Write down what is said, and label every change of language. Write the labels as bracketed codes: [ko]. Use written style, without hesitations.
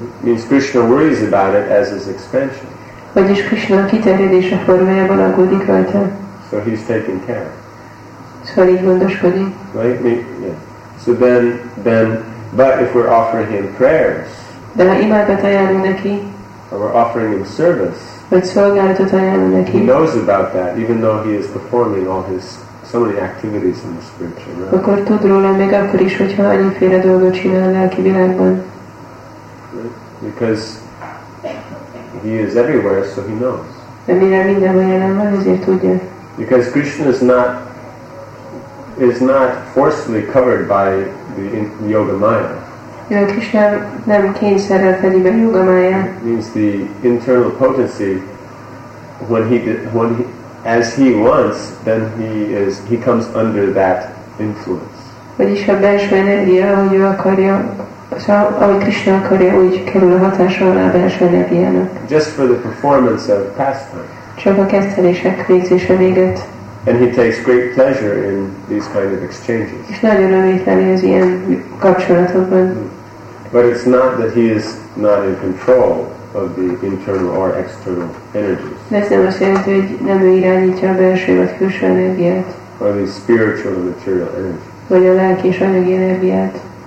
[en] Means Krishna worries about it as his expansion. [hu] Vagyis Krishna kiterjedése formájában aggódik rajta. [en] So he's taken care of. [hu] Szóval így gondoskodik. [en] Right? Yeah. So then, but if we're offering him prayers, [hu] de ha imádat ajánlunk neki, [en] or we're offering him service, [hu] vagy szolgálatot ajánlunk neki. [en] He knows about that, even though he is performing all his so many activities in the spiritual realm. [hu] Akkor tud róla még akkor is, hogyha annyiféle dolgot csinál a lelki világban. [en] Because he is everywhere, so he knows. [hu] De mivel mindenhol jelen van, ezért tudja. [en] Because Krishna is not forcefully covered by the yoga maya. [hu] Krishna nem kényszerrel fedi be yoga máját. [en] Means the internal potency, when he wants, then he comes under that influence. [hu] Vagyis a belső energia, ahogy ő akarja, szóval ahogy Krishna akarja, úgy kerül a hatása alá a belső energiának. [en] Just for the performance of pastime. [hu] Csak a keszterések végzése véget. [en] And he takes great pleasure in these kind of exchanges. [hu] És nagyon örömteli az ilyen kapcsolatokban. [en] But it's not that he is not in control of the internal or external energies. [hu] Ez nem azt jelenti, hogy nem ő irányítja a belső vagy külső energiát. [en] Or the spiritual and material energy. [hu] Vagy a lelki és anyagi energiát.